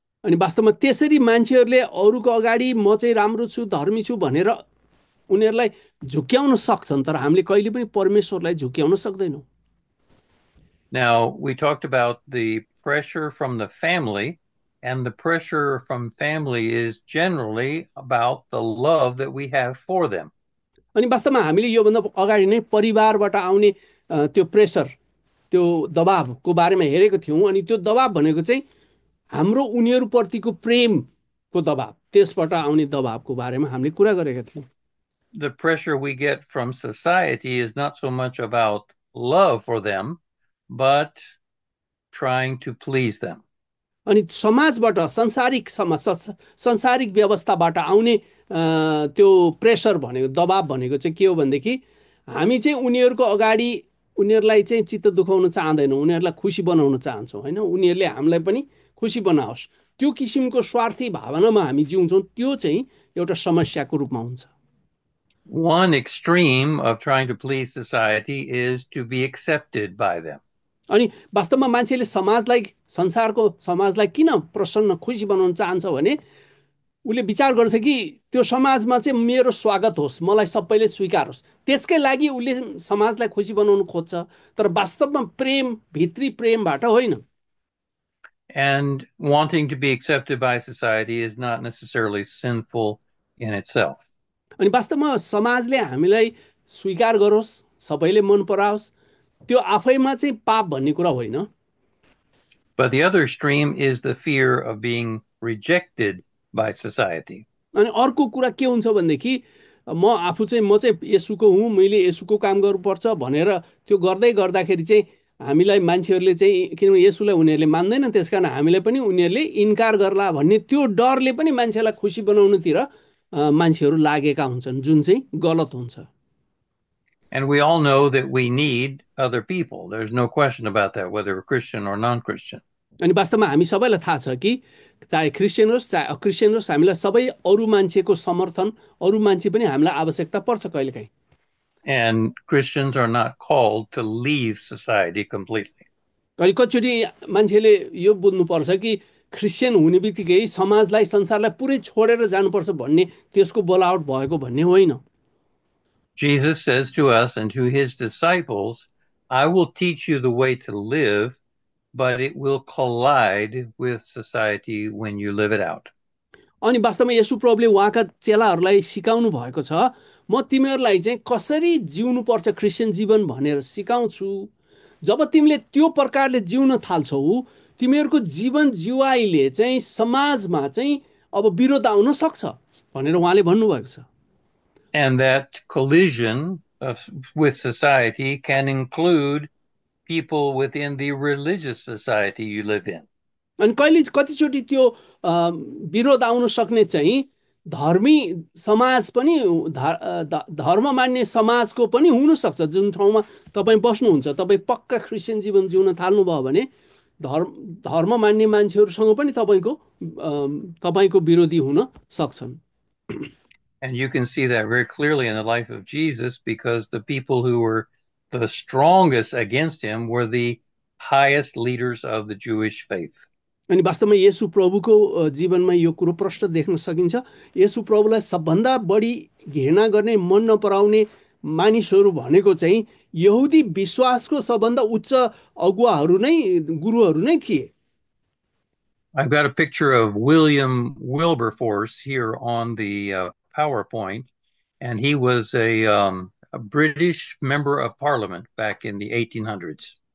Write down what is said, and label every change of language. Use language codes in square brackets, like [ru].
[ne] अनि वास्तवमा त्यसरी मान्छेहरूले अरूको अगाडि म चाहिँ राम्रो छु धर्मी छु भनेर उनीहरूलाई झुक्याउन सक्छन् तर हामीले कहिले पनि परमेश्वरलाई झुक्याउन सक्दैनौँ। [en] Now, we talked about the pressure from the family, and the pressure from family is generally about the love that we have for them. [ne] अनि वास्तवमा हामीले योभन्दा अगाडि नै परिवारबाट आउने त्यो प्रेसर त्यो दबावको बारेमा हेरेको थियौँ अनि त्यो दबाव भनेको चाहिँ हाम्रो उनीहरूप्रतिको प्रेमको दबाब त्यसबाट आउने दबाबको बारेमा हामीले कुरा गरेका थियौँ। [en] The pressure we get from society is not so much about love for them, but trying to please them. [ne] अनि समाजबाट सांसारिक समाज सांसारिक व्यवस्थाबाट आउने त्यो प्रेसर भनेको दबाब भनेको चाहिँ के हो भनेदेखि हामी चाहिँ उनीहरूको अगाडि उनीहरूलाई चाहिँ चित्त दुखाउन चाहँदैनौँ उनीहरूलाई खुसी बनाउन चाहन्छौँ होइन उनीहरूले हामीलाई पनि खुसी बनाओस् त्यो किसिमको स्वार्थी भावनामा हामी जिउँछौँ त्यो चाहिँ एउटा समस्याको रूपमा हुन्छ। [en] One extreme of trying to please society is to be accepted by them. [ne] अनि वास्तवमा मान्छेले समाजलाई संसारको समाजलाई किन प्रसन्न खुसी बनाउन चाहन्छ भने उसले विचार गर्छ कि त्यो समाजमा चाहिँ मेरो स्वागत होस् मलाई सबैले स्वीकार होस् त्यसकै लागि उसले समाजलाई खुसी बनाउन खोज्छ तर वास्तवमा प्रेम भित्री प्रेमबाट होइन। [en] And wanting to be accepted by society is not necessarily sinful in itself. [ne] अनि वास्तवमा समाजले हामीलाई स्वीकार गरोस् सबैले मन पराओस् त्यो आफैमा चाहिँ पाप भन्ने कुरा होइन। [en] But the other extreme is the fear of being rejected by society. [ne] अनि अर्को कुरा के हुन्छ भनेदेखि म चाहिँ येशूको हुँ मैले येशूको काम गर्नुपर्छ भनेर त्यो गर्दै गर्दाखेरि चाहिँ हामीलाई मान्छेहरूले चाहिँ किनभने येशूलाई उनीहरूले मान्दैन त्यसकारण हामीलाई पनि उनीहरूले इन्कार गर्ला भन्ने त्यो डरले पनि मान्छेलाई खुसी बनाउनुतिर मान्छेहरू लागेका हुन्छन् जुन चाहिँ गलत हुन्छ। [en] And we all know that we need other people. There's no question about that, whether we're Christian or non-Christian. [ne] अनि वास्तवमा हामी सबैलाई थाहा छ कि चाहे क्रिस्चियन होस् चाहे अक्रिस्चियन होस् हामीलाई सबै अरू मान्छेको समर्थन अरू मान्छे पनि हामीलाई आवश्यकता पर्छ कहिलेकाहीँ। [en] And Christians are not called to leave society completely. [ne] कहिले कतिचोटि मान्छेले यो बुझ्नुपर्छ कि क्रिस्चियन हुने बित्तिकै समाजलाई संसारलाई पुरै छोडेर जानुपर्छ भन्ने त्यसको बोलावट भएको भन्ने होइन। [en] Jesus says to us and to his disciples, I will teach you the way to live, but it will collide with society when you live it out. [ne] अनि वास्तवमा यसु प्रभुले उहाँका चेलाहरूलाई सिकाउनु भएको छ, म तिमीहरूलाई चाहिँ कसरी जिउनु पर्छ क्रिस्चियन जीवन भनेर सिकाउँछु। जब तिमीले त्यो प्रकारले जिउन थाल्छौ तिमीहरूको जीवन जिवाईले चाहिँ समाजमा चाहिँ अब विरोध आउन सक्छ भनेर उहाँले भन्नुभएको छ। [en] And that collision of, with society can include people within the religious society you live in. [ne] अनि कहिले कतिचोटि त्यो विरोध आउन सक्ने चाहिँ धर्मी समाज पनि धर्म मान्ने समाजको पनि हुनसक्छ। जुन ठाउँमा तपाईँ बस्नुहुन्छ तपाईँ पक्का क्रिस्चियन जीवन जिउन थाल्नुभयो भने धर्म मान्ने मान्छेहरूसँग पनि तपाईँको विरोधी हुन सक्छन्। [en] And you can see that very clearly in the life of Jesus because the people who were the strongest against him were the highest leaders of the Jewish faith. [ne] अनि वास्तवमा येसु प्रभुको जीवनमा यो कुरो प्रष्ट देख्न सकिन्छ, येसु प्रभुलाई सबभन्दा बढी घृणा गर्ने मन नपराउने मानिसहरू भनेको चाहिँ यहुदी विश्वासको सबभन्दा उच्च अगुवाहरू नै गुरुहरू नै थिए। [en] I've got a picture of William Wilberforce here on the PowerPoint, and he was a British member of Parliament back in the 1800s.